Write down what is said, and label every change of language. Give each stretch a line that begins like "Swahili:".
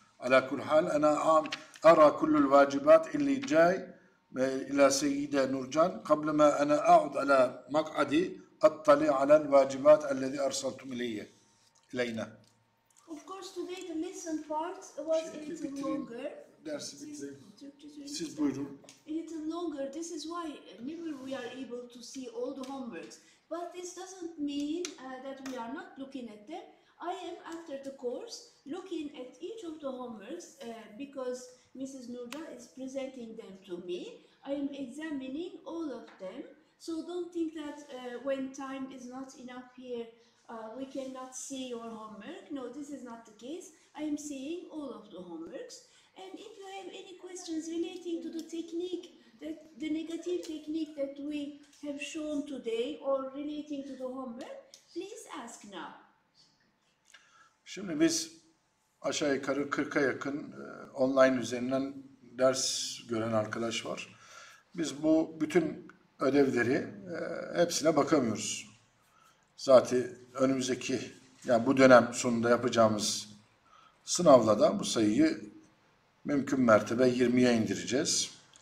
Arabic: على كل حال أنا أرى كل الواجبات اللي جاي إلى سيدة نورجان قبل ما أنا أعود على مقعدي أطلع على الواجبات الذي أرسلتم إلينا.
English: Of course, today the lesson part was a little longer.
Turkish: Ders bitti. Siz buyurun.
English: A little longer. This is why never we are able to see all the homeworks. But this doesn't mean that we are not looking at them. I am after the course looking at each of the homeworks because Mrs. Nurcan is presenting them to me. I am examining all of them. So don't think that when time is not enough here, we cannot see your homework. No, this is not the case. I am seeing all of the homeworks. And if you have any questions relating to the technique, that the negative technique that we have shown today or relating to the homework, please ask now.
Turkish: Şimdi biz aşağı yukarı 40'a yakın online üzerinden ders gören arkadaş var. Biz bu bütün ödevleri hepsine bakamıyoruz. Zaten önümüzdeki, yani bu dönem sonunda yapacağımız sınavla da bu sayıyı mümkün mertebe 20'ye indireceğiz.